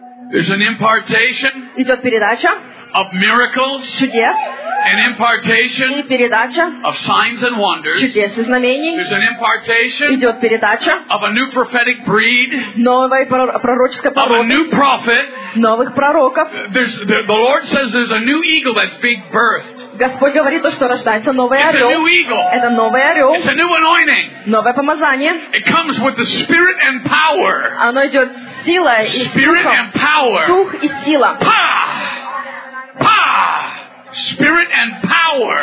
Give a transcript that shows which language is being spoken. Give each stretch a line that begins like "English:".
English: There's an impartation of miracles,
Russian: чудес,
English: an impartation of signs and wonders.
Russian: Чудес и знамений.
English: There's an impartation of a new prophetic breed,
Russian: новой пророческой породы,
English: of a new prophet.
Russian: Новых пророков.
English: The Lord says there's a new eagle that's being birthed.
Russian: Господь говорит то, что рождается новый
English: it's
Russian: орел.
English: A new eagle.
Russian: Это новый орел.
English: It's a new anointing.
Russian: Новое помазание.
English: It comes with the spirit and power.
Russian: Оно идет сила и
English: spirit
Russian: духом.
English: And power.
Russian: Дух и сила.
English: Па! Па! Spirit and power.